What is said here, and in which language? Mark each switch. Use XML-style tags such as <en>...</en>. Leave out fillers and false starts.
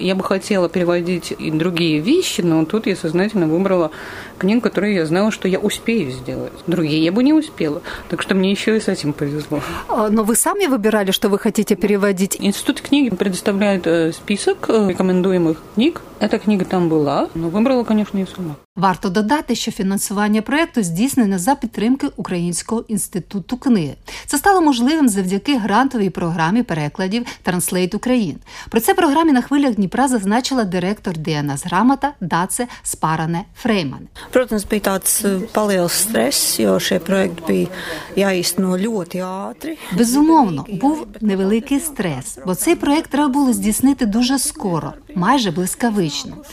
<ru>Я бы хотела переводить и другие вещи, но тут я сознательно выбрала книгу, которую я знала, что я успею сделать. Другие я бы не успела. Так что мне еще и с этим повезло. Но вы сами выбирали, что вы хотите переводить? Институт книги предоставляет список рекомендуемых книг. Эта книга там была, но выбрала, конечно, я сама.</ru> <uk>Варто додати, що фінансування проєкту здійснено за підтримки Українського інституту книги. Це стало можливим завдяки грантовій програмі перекладів «Translate Ukraine». Про це програмі на хвилях Дніпра зазначила директор ДНА з грамота Даце Спаране Фрейман. Протенс бій таць палил стрес, його ще проєкт бій я істину льоти атри. Безумовно, був невеликий стрес, бо цей проєкт треба було здійснити дуже скоро, майже блискавично.</uk>